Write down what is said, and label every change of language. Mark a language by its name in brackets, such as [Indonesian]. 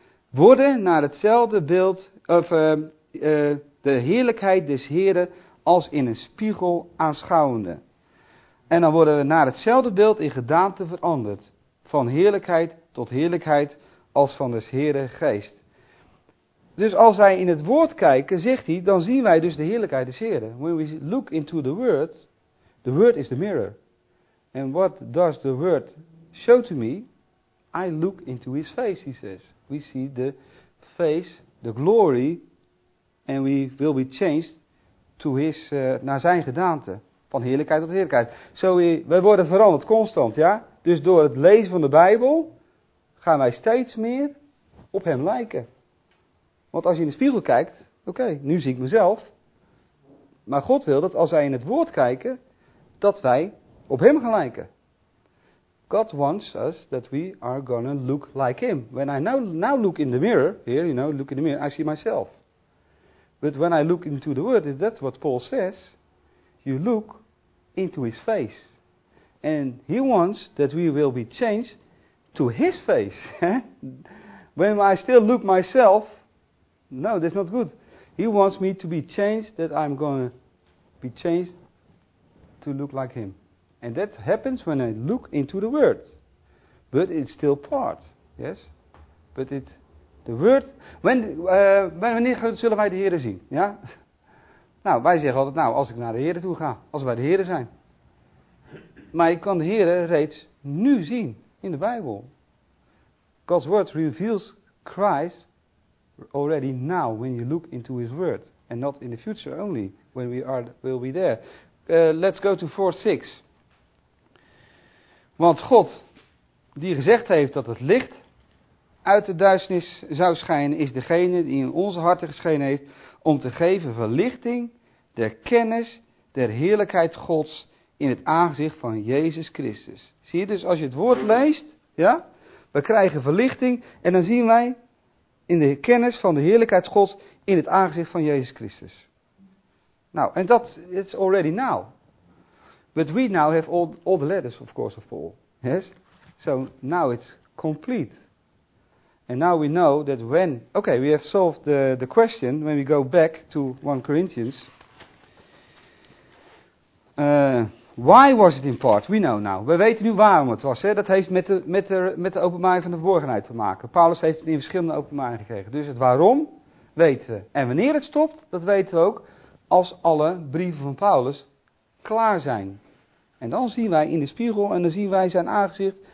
[Dutch] Worden naar hetzelfde beeld, de heerlijkheid des Heren als in een spiegel aanschouwende. En dan worden we naar hetzelfde beeld in gedaante veranderd. Van heerlijkheid tot heerlijkheid als van des Heren geest. Dus als wij in het woord kijken, zegt hij, dan zien wij dus de heerlijkheid des Heren. [English] When we look into the word is the mirror. And what does the word show to me? I look into his face, he says. We see the face, the glory, and we will be changed to his, [Dutch] naar zijn gedaante. Van heerlijkheid tot heerlijkheid. So wij worden veranderd constant, ja? Dus door het lezen van de Bijbel gaan wij steeds meer op hem lijken. Want als je in de spiegel kijkt, oké, nu zie ik mezelf. Maar God wil dat als wij in het woord kijken, dat wij op hem gaan lijken. [English] God wants us that we are gonna look like him. When I now look in the mirror, here, you know, look in the mirror, I see myself. But when I look into the word, that's what Paul says. You look into his face. And he wants that we will be changed to his face. When I still look myself, no, that's not good. He wants me to be changed, that I'm going to be changed to look like him. And that happens when I look into the word. But it's still part, yes? But it, the word, [Dutch] wanneer zullen wij de Heren zien? Ja? Nou, wij zeggen altijd, nou, als ik naar de Heren toe ga, als wij de Heren zijn. Maar ik kan de Heren reeds nu zien in de Bijbel. [English] God's word reveals Christ already now when you look into his word. And not in the future only, when we are will be there. Let's go to 4:6. [Dutch] Want God, die gezegd heeft dat het licht uit de duisternis zou schijnen, is degene die in onze harten geschenen heeft om te geven verlichting der kennis der heerlijkheid Gods in het aangezicht van Jezus Christus. Zie je dus, als je het woord leest, ja, we krijgen verlichting en dan zien wij in de kennis van de heerlijkheid Gods in het aangezicht van Jezus Christus. Nou, en dat is [English] already now. But we now have all the letters, of course, of Paul. Yes? So now it's complete. And now we know that when... Okay, we have solved the question when we go back to 1 Corinthians. Why was it in part? We know now. [Dutch] We weten nu waarom het was. Hè? Dat heeft met de openbaring van de verborgenheid te maken. Paulus heeft het in verschillende openbaringen gekregen. Dus het waarom weten we. En wanneer het stopt, dat weten we ook als alle brieven van Paulus klaar zijn. En dan zien wij in de spiegel en dan zien wij zijn aangezicht